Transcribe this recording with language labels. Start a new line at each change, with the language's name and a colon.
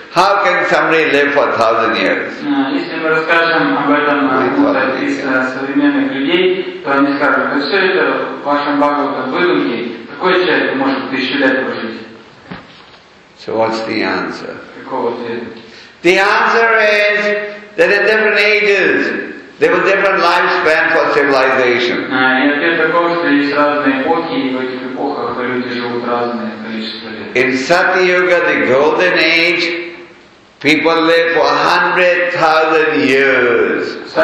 English: How can somebody live for 1,000 years?
Russian: Если мы расскажем об этом современных людей, то они скажут, что все это в вашем Бхагаватам выдумки. Какой человек может 1,000 лет прожить?
English: So what's the answer?
Russian: Какого ответа?
English: The answer is that in different ages there were different lifespan for civilization.
Russian: И ответ такой, что есть разные эпохи, и в этих эпохах люди живут разное количество лет.
English: In Satyuga, the golden age, people live for 100,000 years.